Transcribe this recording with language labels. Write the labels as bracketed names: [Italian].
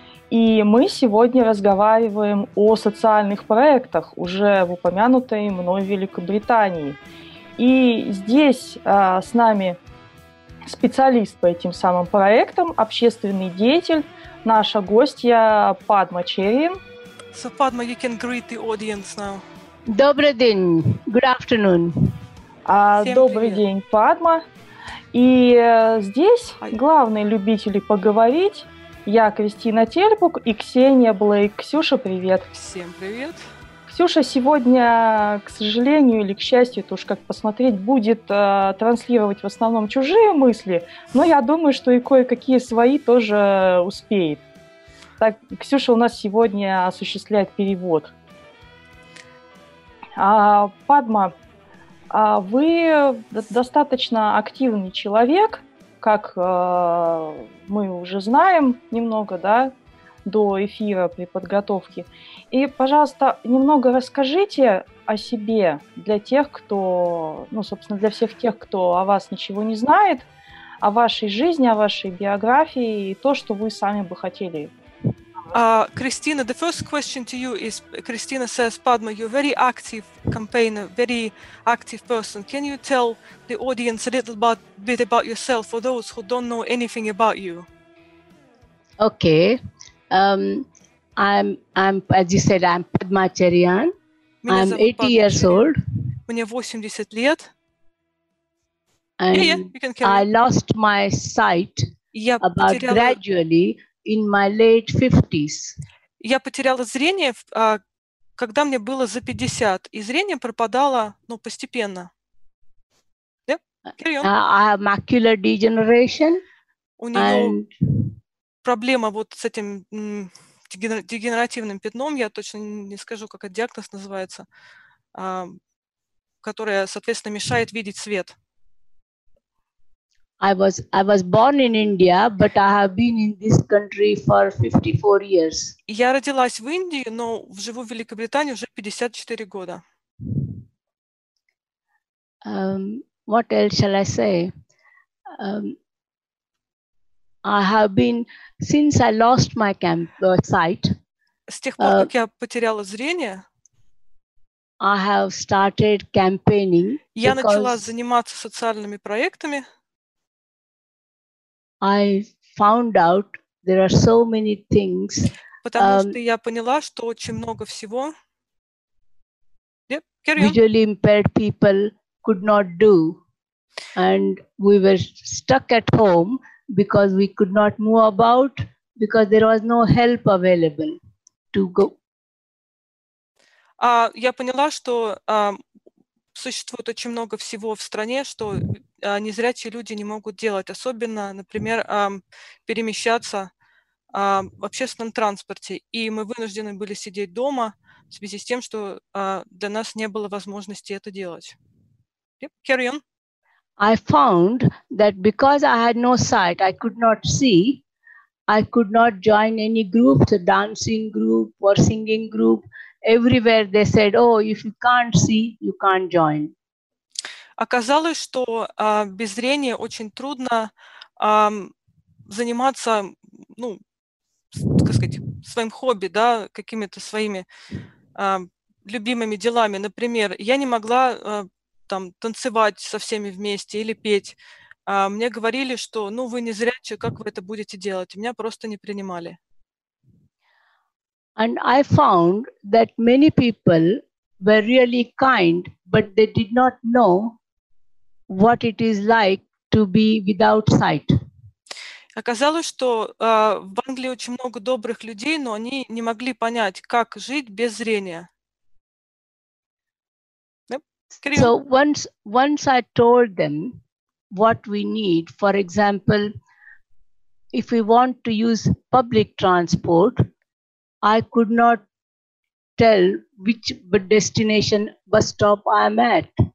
[Russian] И мы сегодня разговариваем о социальных проектах уже в упомянутой мной Великобритании. И здесь с нами специалист по этим самым проектам, общественный деятель, наша гостья Падма Черин. [English] So, Padma, you can greet the audience now. [Russian] Добрый день. [English] Good afternoon. [Russian] Добрый день, Падма. И здесь главные любители поговорить. Я Кристина Тельбук и Ксения Блейк. Ксюша, привет. Всем привет. Ксюша сегодня, к сожалению или к счастью, это уж как посмотреть, будет транслировать в основном чужие мысли, но я думаю, что и кое-какие свои тоже успеет. Так, Ксюша у нас сегодня осуществляет перевод. Падма, вы достаточно активный человек, как мы уже знаем немного, да, до эфира при подготовке. И, пожалуйста, немного расскажите о себе для тех, кто, ну, собственно, для всех тех, кто о вас ничего не знает, о вашей жизни, о вашей биографии и то, что вы сами бы хотели. [English] Кристина, the first question to you is, Кристина says, Padma, you're very active campaigner, very active person. Can you tell the audience a little bit about yourself for those who don't know anything about you? Okay. I'm as you said, I'm Padma Charyan. I'm 80 Padma years old. [Russian] Мне 80 лет. [English] And I lost my sight about gradually in my late 50s. [Russian] Я потеряла зрение, когда мне было за 50, и зрение пропадало, ну, постепенно. [English] Yeah. I have macular degeneration. [Russian] Проблема вот с этим дегенеративным пятном, я точно не скажу, как это диагноз называется, которая, соответственно, мешает видеть свет. [English] I was born in India, but I have been in this country for 54 years. [Russian] Я родилась в Индии, но живу в Великобритании уже 54 года. [English] What else shall I say? I have been since I lost my sight. [Russian] С тех пор, как я потеряла зрение, [English] I have started campaigning. [Russian] Я начала заниматься социальными проектами. [English] I found out there are so many things. [Russian] Потому что я поняла, что очень много всего. [English] Yep, carry on. Visually impaired people could not do, and we were stuck at home. Because we could not move about, because there was no help available to go. [Russian] Я поняла, что существует очень много всего в стране, что незрячие люди не могут делать, особенно, например, перемещаться в общественном транспорте. И мы вынуждены были сидеть дома в связи с тем, что для нас не было возможности это делать. [English] Yep, carry on. I found that because I had no sight, I could not see, I could not join any group, the dancing group or singing group. Everywhere they said, oh, if you can't see, you can't join. [Russian] Оказалось, что без зрения очень трудно заниматься, ну, как сказать, своим хобби, да, какими-то своими любимыми делами. Например, я не могла там, танцевать со всеми вместе или петь. Мне говорили, что, ну, вы не зрячие, как вы это будете делать? Меня просто не принимали. [English] And I found that many people were really kind, but they did not know what it is like to be without sight. [Russian] Оказалось, что в Англии очень много добрых людей, но они не могли понять, как жить без зрения. [English] So once I told them what we need, for example, if we want to use public transport, I could not tell which destination bus stop I am at.